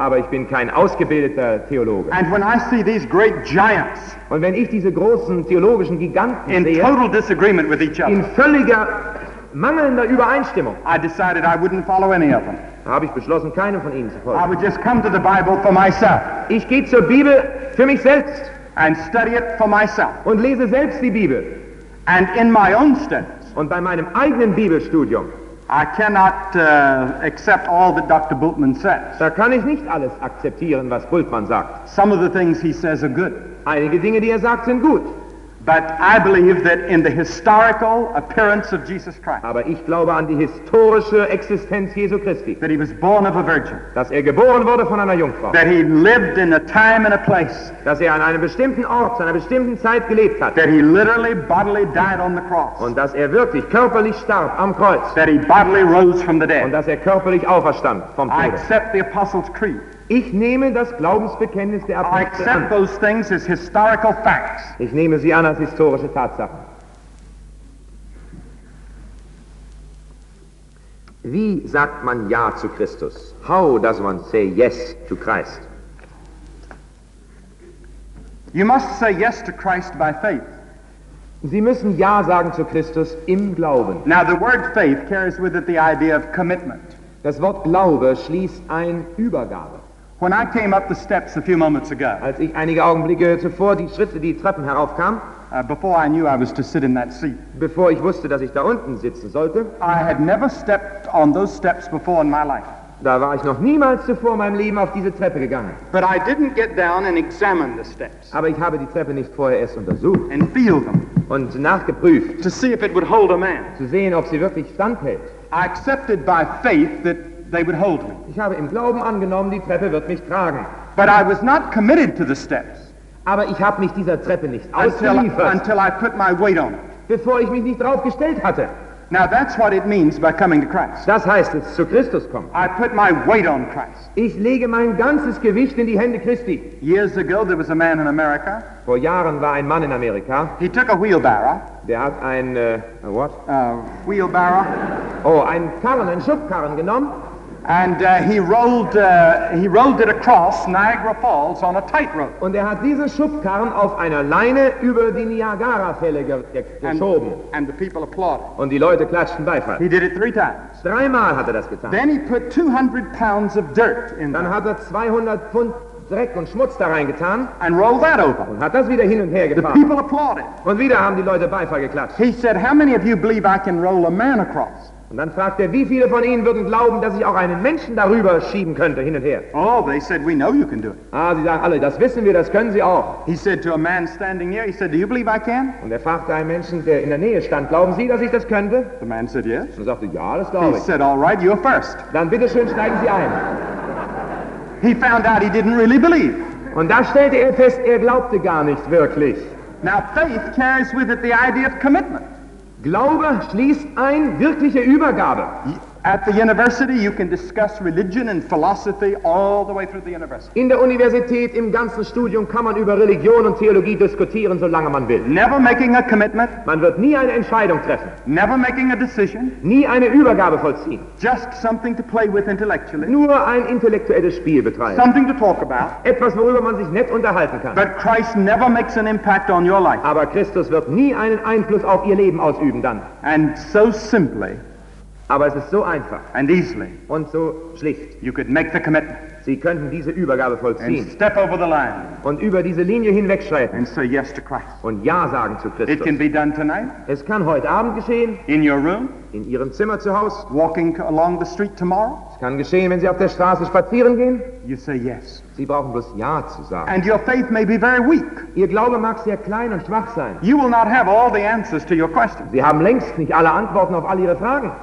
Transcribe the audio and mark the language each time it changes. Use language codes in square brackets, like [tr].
[de] Aber ich bin kein ausgebildeter Theologe. [en] And when I see these great giants, [de] und wenn ich diese großen theologischen Giganten [en] in [de] sehe, [en] total disagreement with each other, [de] in völliger mangelnder Übereinstimmung, [en] I decided I wouldn't follow any of them. [de] Habe ich beschlossen, keinem von ihnen zu folgen. [en] I would just come to the Bible for myself. [de] Ich gehe zur Bibel für mich selbst [en] and study it for myself. [de] Und lese selbst die Bibel. [en] And in my own studies, [de] und bei meinem eigenen Bibelstudium, [en] I cannot accept all that Dr. Bultmann says. [de] Da kann ich nicht alles akzeptieren, was Bultmann sagt. [en] Some of the things he says are good. [de] Einige Dinge, die er sagt, sind gut. [en] But I believe that in the historical appearance of Jesus Christ. [de] Aber ich glaube an die historische Existenz Jesu Christi. [en] That he was born of a virgin. [de] Dass er geboren wurde von einer Jungfrau. [en] That he lived in a time and a place. [de] Dass er an einem bestimmten Ort, zu einer bestimmten Zeit gelebt hat. [en] That he literally bodily died on the cross. [de] Und dass er wirklich körperlich starb am Kreuz. [en] That he bodily rose from the dead. [de] Und dass er körperlich auferstand vom Tod. [en] I accept the Apostles' Creed. [de] Ich nehme das Glaubensbekenntnis der Apostel an. [en] I accept those things as historical facts. [de] Ich nehme sie an als historische Tatsachen. Wie sagt man Ja zu Christus? [en] How does one say yes to Christ? You must say yes to Christ by faith. [de] Sie müssen Ja sagen zu Christus im Glauben. [en] Now the word faith carries with it the idea of commitment. [de] Das Wort Glaube schließt ein Übergabe. [en] When I came up the steps a few moments ago, [de] als ich einige Augenblicke zuvor die Schritte, die Treppen heraufkam, [en] before I knew I was to sit in that seat, [de] bevor ich wusste, dass ich da unten sitzen sollte, [en] I had never stepped on those steps before in my life. [de] Da war ich noch niemals zuvor in meinem Leben auf diese Treppe gegangen. [en] But I didn't get down and examine the steps. [de] Aber ich habe die Treppe nicht vorher erst untersucht. [en] And feel them. [de] Und nachgeprüft. [en] To see if it would hold a man. [de] Zu sehen, ob sie wirklich standhält. [en] I accepted by faith that they would hold me. [de] Ich habe im Glauben angenommen, die Treppe wird mich tragen. [en] But I was not committed to the steps. [de] Aber ich habe mich dieser Treppe nicht ausgeliefert. [en] Until I put my weight on it. [de] Bevor ich mich nicht drauf gestellt hatte. [en] Now that's what it means by coming to Christ. [de] Das heißt, es zu Christus kommen. [en] I put my weight on Christ. [de] Ich lege mein ganzes Gewicht in die Hände Christi. [en] Years ago there was a man in America. [de] Vor Jahren war ein Mann in Amerika. [en] He took a wheelbarrow. [de] Der hat ein [en] what? Wheelbarrow. [de] Oh, einen Karren, einen Schubkarren genommen. [en] And he rolled it across Niagara Falls on a tightrope. [de] Und hat diesen Schubkarren auf einer Leine über die Niagara-Fälle geschoben. [en] And the people applauded. [de] Und die Leute klatschten Beifall. [en] He did it three times. [de] Dreimal hat das getan. [en] Then he put 200 pounds of dirt in. [de] Dann hat 200 Pfund Dreck und Schmutz da reingetan. [en] And rolled that over. [de] Und hat das wieder hin und her gefahren. [en] The people applauded. [de] Und wieder haben die Leute Beifall geklatscht. [en] He said, "How many of you believe I can roll a man across?" [de] Und dann fragt wie viele von Ihnen würden glauben, dass ich auch einen Menschen darüber schieben könnte, hin und her? [en] Oh, they said, we know you can do it. [de] Ah, sie sagen alle, das wissen wir, das können Sie auch. [en] He said to a man standing near, he said, do you believe I can? [de] Und fragte einen Menschen, der in der Nähe stand, glauben Sie, dass ich das könnte? [en] The man said, yes. [de] Und sagte, ja, das glaube ich. [en] He said, all right, you're first. [de] Dann bitteschön, steigen Sie ein. [en] He found out he didn't really believe. [de] Und da stellte fest, glaubte gar nicht wirklich. [en] Now faith carries with it the idea of commitment. [de] Glaube schließt ein wirkliche Übergabe. [en] At the university you can discuss religion and philosophy all the way through the university. [de] In der Universität im ganzen Studium kann man über Religion und Theologie diskutieren solange man will. [en] Never making a commitment. [de] Man wird nie eine Entscheidung treffen. [en] Never making a decision. [de] Nie eine Übergabe vollziehen. [en] Just something to play with intellectually. [de] Nur ein intellektuelles Spiel betreiben. [en] Something to talk about. [de] Etwas worüber man sich nett unterhalten kann. [en] But Christ never makes an impact on your life. [de] Aber Christus wird nie einen Einfluss auf ihr Leben ausüben dann. [en] And so simply. [de] Aber es ist so einfach [en] and easily, [de] und so schlicht. [en] You could make the commitment. [de] Sie könnten diese Übergabe vollziehen [en] and step over the line [de] und über diese Linie hinwegschreiten [en] and say yes to Christ. [de] Und Ja sagen zu Christus. [en] It can be done tonight. [de] Es kann heute Abend geschehen. [en] In your room. [de] In Ihrem Zimmer zu Hause. [en] Walking along the street tomorrow. [de] Es kann geschehen, wenn Sie auf der Straße spazieren gehen. [en] You say yes. [de] Sie brauchen bloß Ja zu sagen. [en] And your faith may be very weak. [de] Ihr Glaube mag sehr klein und schwach sein. [en] You will not have all the answers to your questions. [de] Sie haben längst nicht alle Antworten auf all Ihre Fragen.